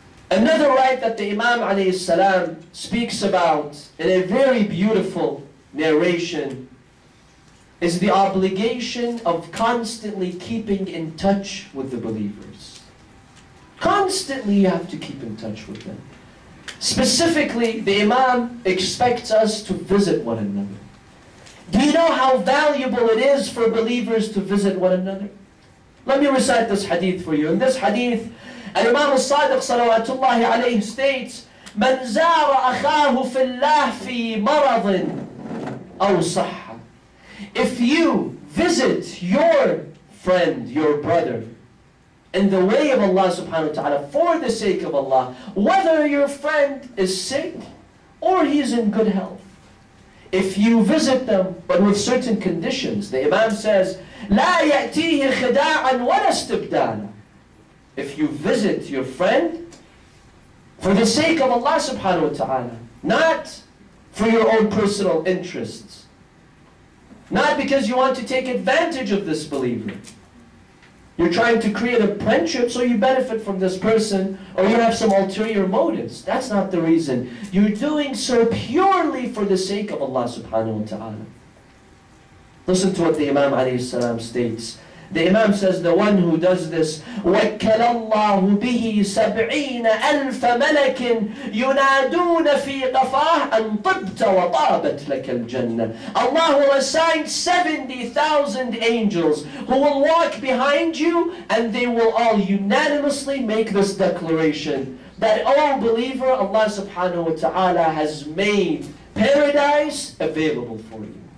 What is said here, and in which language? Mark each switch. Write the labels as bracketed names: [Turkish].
[English] Another right that the Imam alayhi salam speaks about in a very beautiful narration is the obligation of constantly keeping in touch with the believers. Constantly you have to keep in touch with them. Specifically, the Imam expects us to visit one another. Do you know how valuable it is for believers to visit one another? Let me recite this hadith for you. In this hadith, [Arabic] الإمام الصادق صلوات الله عليه [English] states [Arabic] من زار أخاه في الله في مرض أو صحة. [English] If you visit your friend, your brother, in the way of Allah subhanahu wa ta'ala, for the sake of Allah, whether your friend is sick or he's in good health, if you visit them, but with certain conditions, the Imam says [Arabic] لا يأتيه خداعا ولا استبدالا. [English] If you visit your friend for the sake of Allah subhanahu wa ta'ala, not for your own personal interests, not because you want to take advantage of this believer, you're trying to create a friendship so you benefit from this person, or you have some ulterior motives. That's not the reason. You're doing so purely for the sake of Allah subhanahu wa ta'ala. Listen to what the Imam alayhi salam states. The Imam says, the one who does this, [Arabic] وَكَّلَ اللَّهُ بِهِ سَبْعِينَ أَلْفَ مَلَكٍ يُنَادُونَ فِي قَفَاهِ أَنْ طِبْتَ وَطَابَتْ لَكَ الْجَنَّةِ. [English] Allah will assign 70,000 angels who will walk behind you, and they will all unanimously make this declaration that, oh believer, Allah subhanahu wa ta'ala has made paradise available for you.